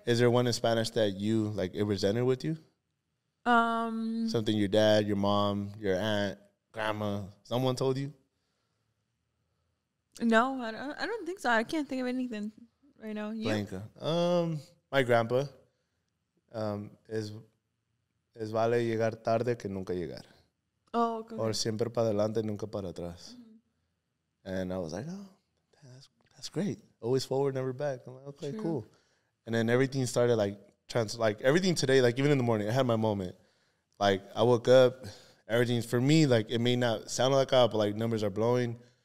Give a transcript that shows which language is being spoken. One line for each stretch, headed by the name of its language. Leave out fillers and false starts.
English: Is there one in Spanish that you, like, it resented with you? Something your dad, your mom, your aunt, grandma, someone told you? No, I don't think so. I can't think of anything right now. Blanca. My grandpa.
Spanish: Es vale llegar tarde que nunca llegar.
English: Oh, okay.
Spanish: Or siempre para adelante, nunca para atrás.
English: Mm-hmm. And I was like, oh, that's great. Always forward, never back. I'm like, okay, true. Cool. And then everything started, like, everything today, like, even in the morning, I had my moment. Like, I woke up, everything's, for me, like, it may not sound like that, but, like, numbers are blowing.